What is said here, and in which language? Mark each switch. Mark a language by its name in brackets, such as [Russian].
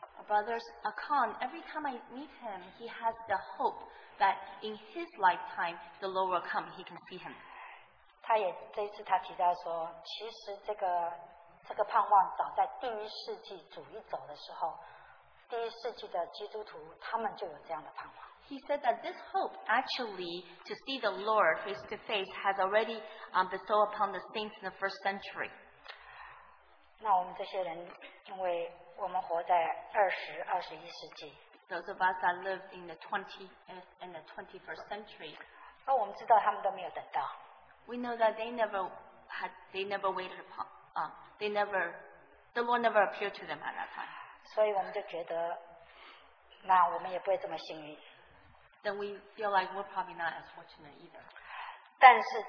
[English] Brothers Akon, every time I meet him, he has the hope that in his lifetime, the Lord will come, he can see him. [Chinese] 他也这次他提到说,其实这个盼望早在第一世纪主义走的时候,第一世纪的基督徒,他们就有这样的盼望。 [English] He said that this hope, actually, to see the Lord face to face, has already bestowed upon the saints in the first century. [Chinese] 那我们这些人,因为 我们活在20、21世纪。 [English] Those of us that live in the 20th and the 21st century. [Chinese] 那我们知道他们都没有等到。 [English] We know that the Lord never appeared to them at that time. [Chinese] 所以我们就觉得，那我们也不会这么幸运。 [English] Then we feel like we're probably not as fortunate either.